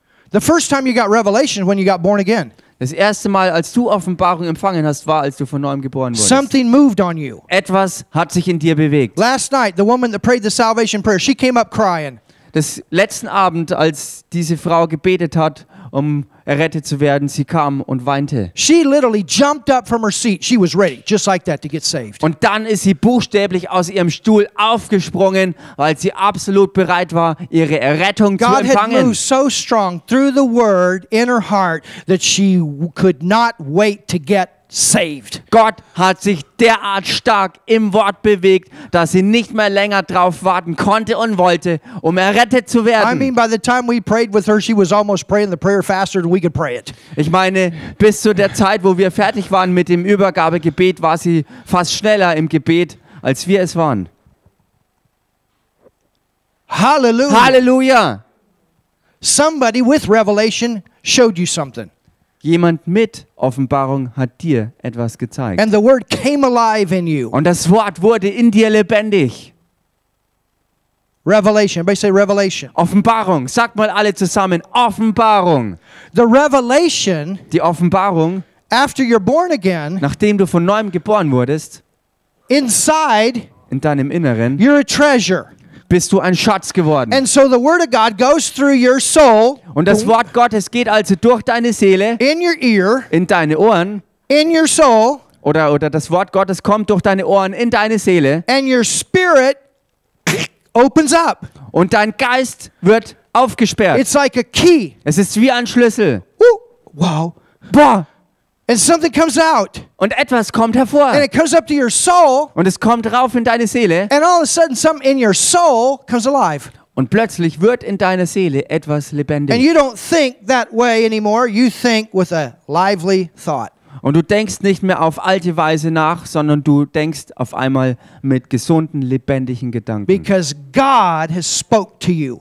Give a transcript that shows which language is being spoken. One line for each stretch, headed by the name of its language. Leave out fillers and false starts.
English: The first time you got revelation when you got born again.
German: Das erste Mal, als du Offenbarung empfangen hast, war, als du von neuem geboren wurdest.
English: Something moved on you.
German: Etwas hat sich in dir bewegt.
English: Last night, the woman that prayed the salvation prayer, she came up crying.
German: Das letzten Abend, als diese Frau gebetet hat, um errettet zu werden, sie kam und weinte.
English: She literally jumped up from her seat. She was ready, just like that, to get saved.
German: Und dann ist sie buchstäblich aus ihrem Stuhl aufgesprungen, weil sie absolut bereit war, ihre Errettung
English: God
German: zu empfangen.
English: God had moved so strong through the word in her heart that she could not wait to get saved.
German: Gott hat sich derart stark im Wort bewegt, dass sie nicht mehr länger drauf warten konnte und wollte, um errettet zu werden.
English: I mean, by the time we prayed with her, she was almost praying the prayer faster than we could pray it.
German: Ich meine, bis zu der Zeit, wo wir fertig waren mit dem Übergabegebet, war sie fast schneller im Gebet, als wir es waren. Halleluja. Halleluja.
English: Somebody with revelation showed you something.
German: Jemand mit Offenbarung hat dir etwas gezeigt.
English: And the word came alive in you.
German: Und das Wort wurde in dir lebendig.
English: Revelation. Everybody say revelation.
German: Offenbarung. Sagt mal alle zusammen Offenbarung.
English: The revelation.
German: Die Offenbarung.
English: After you're born again.
German: Nachdem du von neuem geboren wurdest.
English: Inside.
German: In deinem Inneren.
English: You're a treasure.
German: Bist du ein Schatz geworden.
English: And so the word of God goes through your soul.
German: Und das Wort Gottes geht also durch deine Seele.
English: In your ear.
German: In deine Ohren.
English: In your soul.
German: Oder das Wort Gottes kommt durch deine Ohren in deine Seele.
English: And your spirit opens up.
German: Und dein Geist wird aufgesperrt.
English: It's like a key.
German: Es ist wie ein Schlüssel. Ooh, wow. Boah.
English: And something comes out.
German: Und etwas kommt hervor.
English: And it comes up to your soul.
German: Und es kommt rauf in deine Seele.
English: And all of a sudden something in your soul comes alive.
German: Und plötzlich wird in deiner Seele etwas lebendig.
English: And you don't think that way anymore. You think with a lively thought.
German: Und du denkst nicht mehr auf alte Weise nach, sondern du denkst auf einmal mit gesunden, lebendigen Gedanken.
English: Because God has spoke to you.